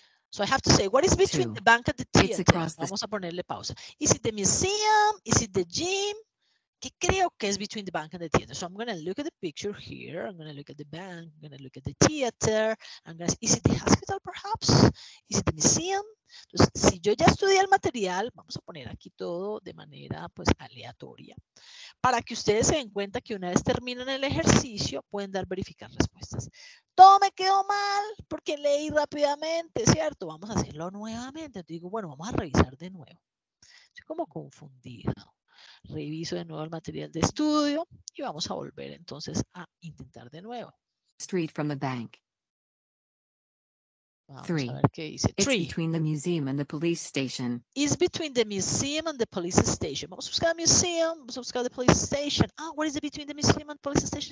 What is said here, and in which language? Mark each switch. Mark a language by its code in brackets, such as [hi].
[en] So I have to say, what is between the bank and the theater? [es] Vamos a ponerle pausa. [en] Is it the museum? Is it the gym? [es] ¿Qué creo que es [en] between the bank and the theater? So I'm going to look at the picture here. I'm going to look at the bank. I'm going to look at the theater. I'm going to say, is it the hospital, perhaps? Is it the museum? [es] Entonces, si yo ya estudié el material, vamos a poner aquí todo de manera, pues, aleatoria, para que ustedes se den cuenta que una vez terminan el ejercicio, pueden dar verificar respuestas. Todo me quedó mal porque leí rápidamente, ¿cierto? Vamos a hacerlo nuevamente. Entonces, digo, bueno, vamos a revisar de nuevo. Estoy como confundida. Reviso de nuevo el material de estudio y vamos a volver entonces a intentar de nuevo. [en] Street from the bank. [es] Vamos a ver qué dice. [en] It's between the museum and the police station. It's between the museum and the police station. [es] Vamos a buscar el museum, vamos a buscar [en] the police station. Ah, what is it between the museum and police station?